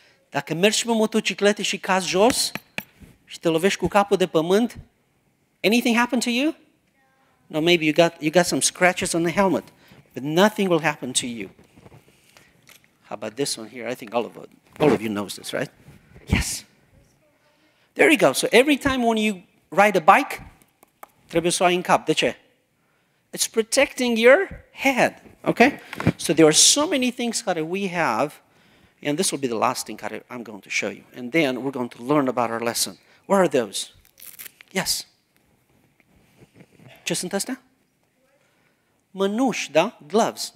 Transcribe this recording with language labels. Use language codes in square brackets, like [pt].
[ro] Dacă mergi pe motociclete și cazi jos și te lovești cu capul de pământ, [en] anything happen to you? No, maybe you got some scratches on the helmet, but nothing will happen to you. How about this one here? I think all of you knows this, right? Yes. There you go. So every time when you ride a bike, [ro] trebuie să ai în cap. De ce? [en] It's protecting your head. Okay? So there are so many things that we have. And this will be the last thing that I'm going to show you. And then we're going to learn about our lesson. Where are those? Yes. [ro] Ce sunt astea? Mănuși, da? [en] Gloves.